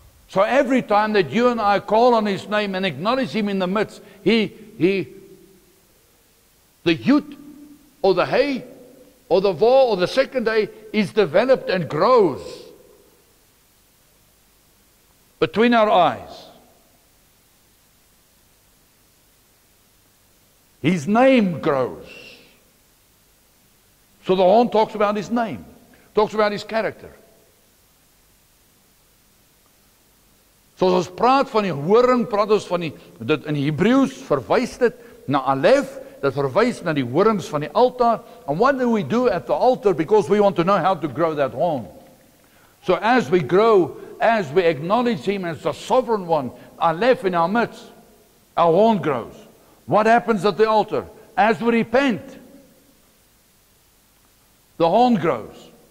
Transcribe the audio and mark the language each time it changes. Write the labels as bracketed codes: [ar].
[en] So every time that you and I call on his name and acknowledge him in the midst, he the yud, or the hey, or the vav, or the second hey, is developed and grows between our eyes. His name grows. So the horn talks about his name, talks about his character. [af] So ons praat van die horing, praat ons van die, dit in Hebreeus verwys dit na Alef, dat verwys na die horings van die altaar. [en] And what do we do at the altar? Because we want to know how to grow that horn. So as we grow, as we acknowledge him as the sovereign one, Alef in our midst, our horn grows. What happens at the altar? As we repent, the horn grows.